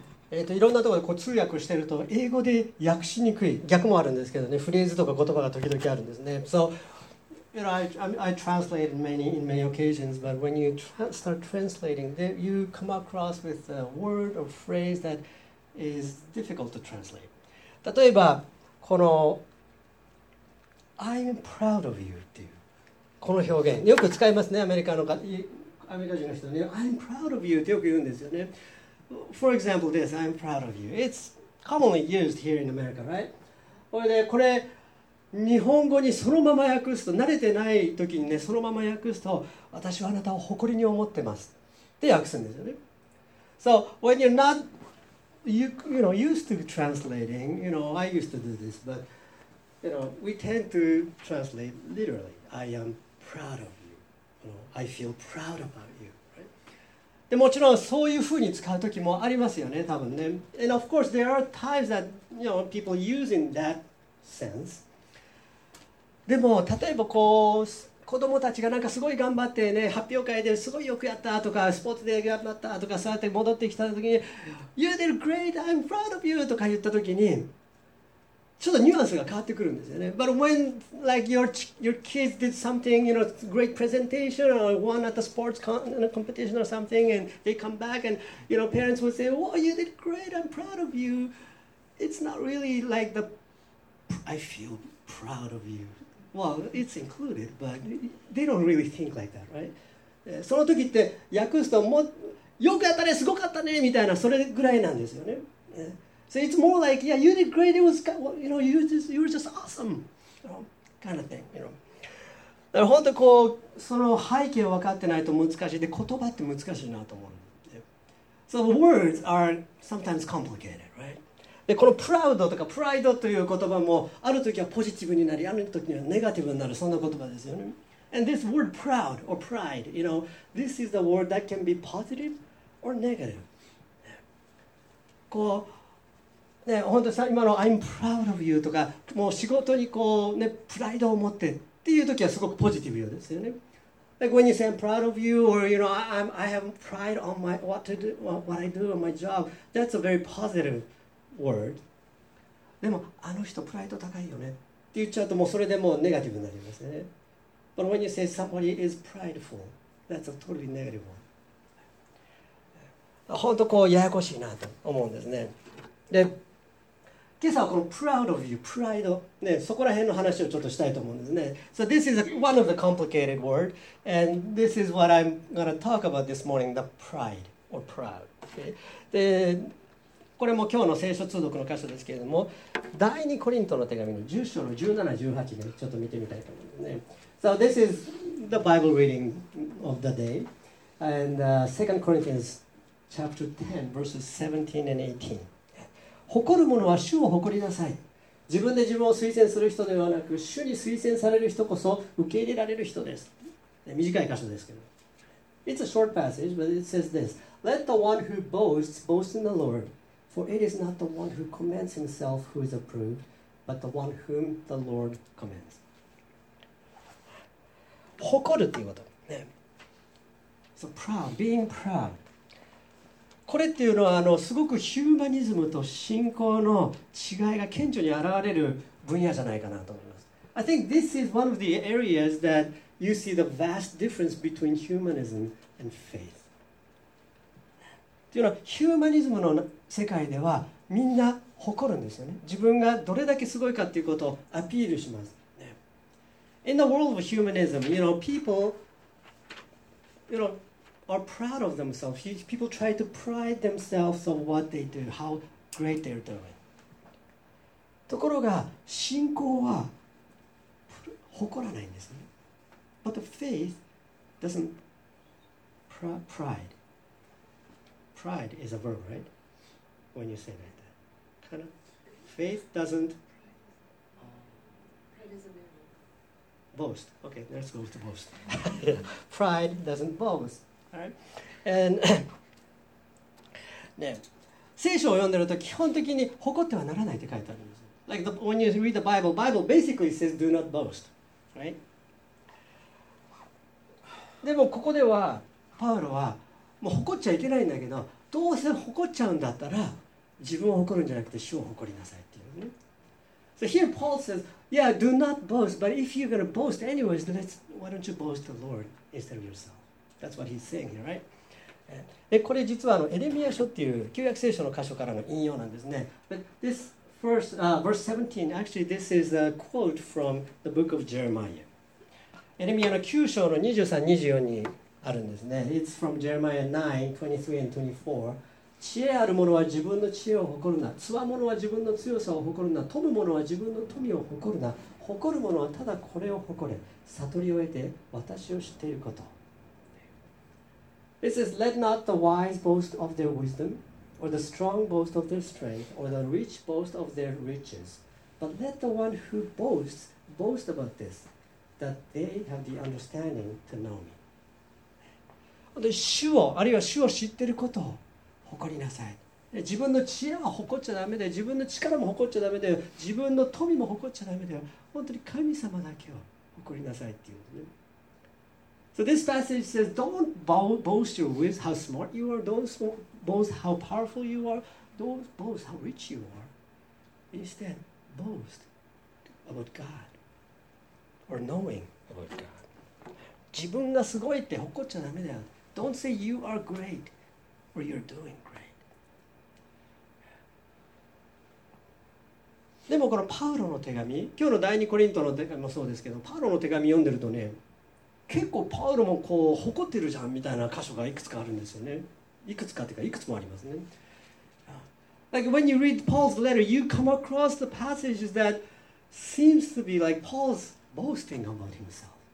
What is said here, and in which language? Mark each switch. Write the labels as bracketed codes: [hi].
[ja] いろんなところでこう通訳してると英語で訳しにくい逆もあるんですけどね、フレーズとか言葉が時々あるんですね。 [en] So, you know, I translate in many occasions, but when you start translating, you come across with a word or phrase that is difficult to translate. [ja] 例えばこの [en] I'm proud of you [ja] っていうこの表現よく使いますね、アメリカ人の人ね、 I'm proud of you ってよく言うんですよね。 [en] For example, this, I'm proud of you. It's commonly used here in America, right? [ja] で、これ、日本語にそのまま訳すと、慣れてない時にね、そのまま訳すと、私はあなたを誇りに思ってます。って訳すんですよね。 [en] So, when you're not, you know, used to translating, you know, I used to do this, but, you know, we tend to translate literally. I am proud of you. I feel proud about you. [ja] でもちろんそういうふうに使うときもありますよね、多分ね。 [en] And of course, there are times that, you know, people use in that sense. [ja] でも、例えばこう、子供たちがなんかすごい頑張ってね、発表会ですごいよくやったとか、スポーツで頑張ったとか、そうやって戻ってきたときに、 [en] You did great, I'm proud of you! [ja] とか言ったときに、ちょっとニュアンスが変わってくるんですよね。 [en] But when, like, your kids did something, you know, great presentation or won at the sports competition or something, and they come back and, you know, parents would say, oh, you did great, I'm proud of you. It's not really like the, I feel proud of you. Well, it's included, but they don't really think like that, right? [ja] その時って訳すと、もよくやったね、すごかったね、みたいな、それぐらいなんですよね。 [en] So it's more like, yeah, you did great. It was, you know, you were just awesome, you know, kind of thing, you know. [ja] だから本当こうその背景を分かってないと難しいで、言葉って難しいなと思う。 [en] So words are sometimes complicated, right? [ja] でこの proud とか pride という言葉もある時はポジティブになり、ある時にはネガティブになる、そんな言葉ですよね。 [en] And this word proud or pride, you know, this is the word that can be positive or negative. [ja] こうね、本当さ今の [en] I'm proud of you [ja] とかもう仕事にこうねプライドを持ってっていう時はすごくポジティブですよね。 [en] Like when you say I'm proud of you or you know I have pride on my what to do what I do on my job, that's a very positive word. [ja] でもあの人プライド高いよねって言っちゃうともうそれでもうネガティブになりますよね。 [en] But when you say somebody is prideful, that's a totally negative one. [ja] 本当こうややこしいなと思うんですね。で今朝はこの [en] proud of you, [ja] pride、ね、そこら辺の話をちょっとしたいと思うんですね。 [en] So this is one of the complicated words, and this is what I'm going to talk about this morning, the pride or proud.、Okay? [ja] で、これも今日の聖書通読の箇所ですけれども、第2コリントの手紙の10章の17、18で、ね、ちょっと見てみたいと思うんですね。 [en] So this is the Bible reading of the day, and 2 Corinthians chapter 10, verses 17 and 18. [ja] 誇る者は主を誇りなさい。自分で自分を推薦する人ではなく、主に推薦される人こそ受け入れられる人です。短い箇所ですけど。 [en] It's a short passage, but it says this. Let the one who boasts boast in the Lord, for it is not the one who commends himself who is approved, but the one whom the Lord commends. [ja] 誇るということ。ね、 [en] so proud, being proud. [ja] これっていうのはすごくヒューマニズムと信仰の違いが顕著に現れる分野じゃないかなと思います。 [en] I think this is one of the areas that you see the vast difference between humanism and faith. [ja] というのはヒューマニズムの世界ではみんな誇るんですよね。自分がどれだけすごいかっていうことをアピールします。 [en] In the world of humanism, you know, people, you know,are proud of themselves. People try to pride themselves on what they do, how great they're doing. [ja] ところが信仰は誇らないんですね。 [en] But the faith doesn't pride. Pride is a verb, right? When you say that, kind of faith doesn't boast. Okay, let's go with the boast. Pride doesn't boast. Right. And, [ja] ね、聖書を読んでると基本的に誇ってはならないって書いてあるんです。 [en] Like the, when you read the Bible, Bible basically says do not boast. Right? [ja] でもここではパウロはもう誇っちゃいけないんだけど、どうせ誇っちゃうんだったら自分を誇るんじゃなくて主を誇りなさいっていうね。 [en] So here Paul says, yeah, do not boast, but if you're going to boast anyways, then why don't you boast the Lord instead of yourself? That's what he's saying here, right? [ja] でこれ実はエレミヤ書っていう旧約聖書の箇所からの引用なんですね。 [en] But this first, verse 17, actually this is a quote from the book of Jeremiah. [ja] エレミヤの9章の23、24にあるんですね。 [en] It's from Jeremiah 9, 23 and 24. [ja] 知恵ある者は自分の知恵を誇るな、強者は自分の強さを誇るな、富む者は自分の富を誇るな、誇る者はただこれを誇れ、悟りを得て私を知っていること。 [en] This is let not the wise boast of their wisdom, or the strong boast of their strength, or the rich boast of their riches, but let the one who boasts boast about this, that they have the understanding to know me. [ja] 主をあるいは主を知っていることを誇りなさい。自分の知恵は誇っちゃダメだよ。自分の力も誇っちゃダメだよ。自分の富も誇っちゃダメだよ。本当に神様だけを誇りなさいっていうね。 [en] So this passage says, don't boast your wisdom, how smart you are. Don't boast how powerful you are. Don't boast how rich you are. Instead, boast about God or knowing about God. [ja] 自分がすごいって誇っちゃダメだよ。 [en] Don't say you are great. You're doing great. [ja] でもこのパウロの手紙、今日の第二コリントの手紙もそうですけど、パウロの手紙読んでるとね、結構パウロもこう誇ってるじゃんみたいな箇所がいくつかあるんですよね。いくつかっていうかいくつもありますね。 [en] Like when you read Paul's letter, you come across the passages that seems to be like Paul's boasting about himself.